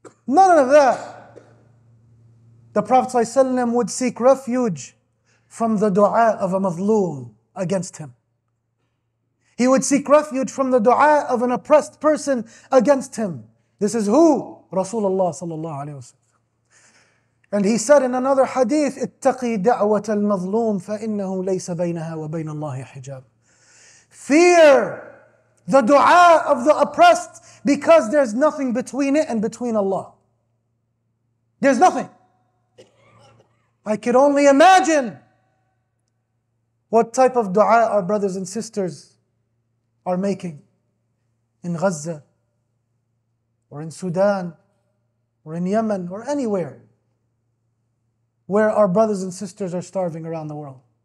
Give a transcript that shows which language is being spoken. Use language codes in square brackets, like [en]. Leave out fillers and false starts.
[en] None of that. The Prophet ﷺ would seek refuge from the dua of a mazloom against him. He would seek refuge from the dua of an oppressed person against him. This is who? Rasulullah sallallahu alayhi wa sallam. And he said in another hadith, [ar] اتَّقِي دَعْوَةَ الْمَظْلُومِ فَإِنَّهُ لَيْسَ بَيْنَهَا وَبَيْنَ اللَّهِ حِجَابٌ. [en] Fear the dua of the oppressed because there's nothing between it and between Allah. There's nothing. I could only imagine what type of dua our brothers and sisters are making in Gaza or in Sudan or in Yemen or anywhere where our brothers and sisters are starving around the world.